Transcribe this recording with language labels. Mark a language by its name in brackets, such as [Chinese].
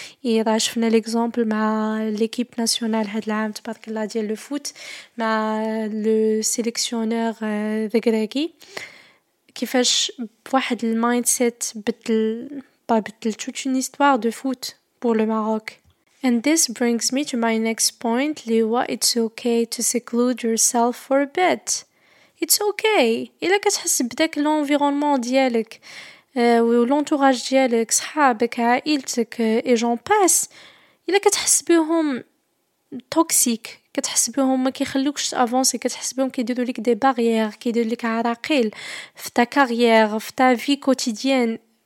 [Arabic] اي شفنا ليكزامبل مع ليكيب ناسيونال هاد العام تبارك الله ديال لو فوت مع لو سيليكسيونور غريكي, كيفاش بواحد المايند سيت بدل توت اون هيستوار دو فوت بور لو ماروك. [English] And this brings me to my next point, [Arabic] اللي هو [English] it's okay to seclude yourself for a bit. It's okay. [Arabic] إلا كتحس بداك الانفيرونمون ديالك والانتوراج ديالك, صحابك, عائلتك, اي جون باس, إلا كتحس بهم توكسيك, كتحس بهم ما كيخلوكش تافونسي, كتحس بهم كيديروا لك دي باريير, كيديروا لك عراقيل في تا كارير, في تا في كوتيديان,